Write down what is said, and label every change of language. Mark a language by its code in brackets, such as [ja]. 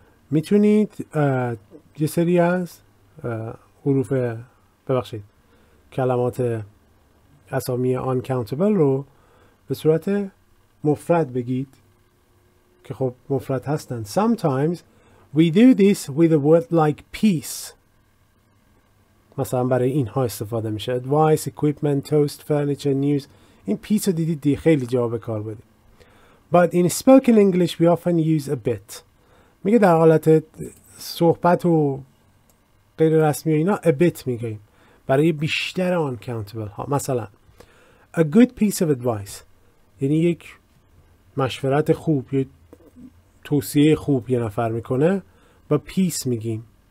[fa] میتونید یه سری از حروف ببخشید کلمات اسامی uncountable رو به صورت مفرد بگید که خب مفرد هستن. [en] Sometimes we do this with a word like peace. [fa] مثلا برای اینها استفاده میشه. [en] Advice, equipment, toast, furniture, news. [fa] این peace رو دیدید دی خیلی جواب کار بده. [en] But in spoken English we often use a bit. [fa] میگه در حالت صحبت و غیر رسمی و اینا a bit میگهیم. برای بیشتر uncountable ها. [en] مثلا a good piece of advice. [fa] یعنی یک مشورت خوب یا توصیه خوب یه نفر میکنه و پیس میگیم.